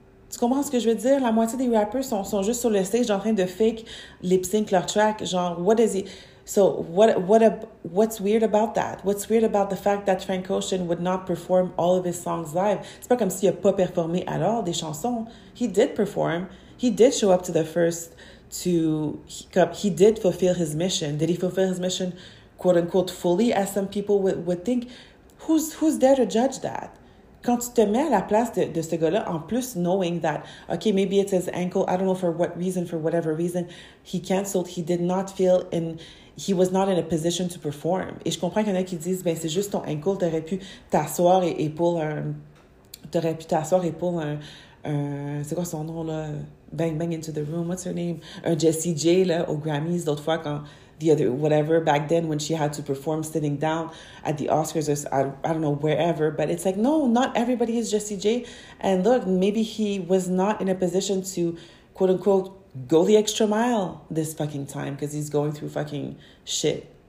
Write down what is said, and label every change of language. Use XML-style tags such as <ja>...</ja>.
<fr>Tu comprends ce que je veux dire? La moitié des rappers sont juste sur le stage en train de fake lip-sync leur track.</fr> <en>Genre, what is it? So, what's weird about that? What's weird about the fact that Frank Ocean would not perform all of his songs live?</en> <fr>C'est pas comme s'il a pas performé at all des chansons.</fr> <en>He did perform. He did show up to the first to, he did fulfill his mission. Did he fulfill his mission, quote unquote, fully, as some people would think? Who's there to judge that?</en> <fr>Quand tu te mets à la place de ce gars-là, en plus</fr> <en>knowing that, okay, maybe it's his ankle, I don't know for what reason, for whatever reason, he canceled, he did not feel in, he was not in a position to perform.</en> <fr>Et je comprends qu'il y en a qui disent, ben c'est juste ton ankle, t'aurais pu t'asseoir et pour un, t'aurais pu t'asseoir et pour un, c'est quoi son nom là?</fr> <en>Bang Bang Into the Room, what's her name?</en> <fr>Un Jessie J là, au Grammys l'autre fois quand,</fr> <en>the other, whatever, back then when she had to perform sitting down at the Oscars or I don't know, wherever. But it's like, no, not everybody is Jessie J. And look, maybe he was not in a position to, quote unquote, go the extra mile this fucking time because he's going through fucking shit.</en>